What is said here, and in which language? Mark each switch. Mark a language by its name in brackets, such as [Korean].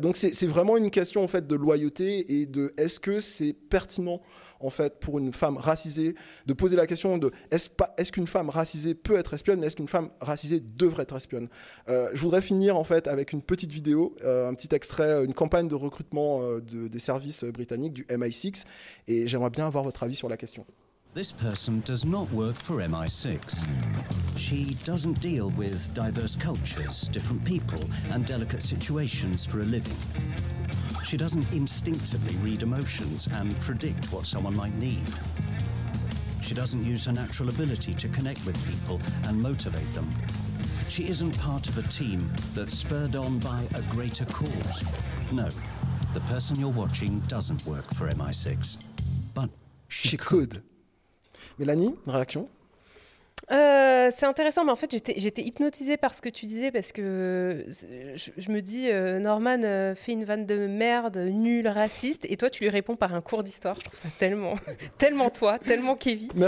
[French] Donc c'est vraiment une question, en fait, de loyauté et de est-ce que c'est pertinent, en fait, pour une femme racisée, de poser la question de est-ce qu'une femme racisée peut être espionne, mais est-ce qu'une femme racisée devrait être espionne ? Je voudrais finir, en fait, avec une petite vidéo, un petit extrait, une campagne de recrutement des services britanniques, du MI6, et j'aimerais bien avoir votre avis sur la question. [English] This person does not work for MI6. She doesn't deal with diverse cultures, different people, and delicate situations for a living. She doesn't instinctively read emotions and predict what someone might need. She doesn't use her natural ability to connect with people and motivate them. She isn't part of a team that's spurred on by a greater cause. No, the person you're watching doesn't work for MI6. But she could. [French] Mélanie, une réaction? C'est intéressant, mais en fait j'étais hypnotisée par ce que tu disais, parce que je me dis Norman fait une vanne de merde nulle raciste, et toi tu lui réponds par un cours d'histoire. Je trouve ça tellement tellement toi, tellement Kevin.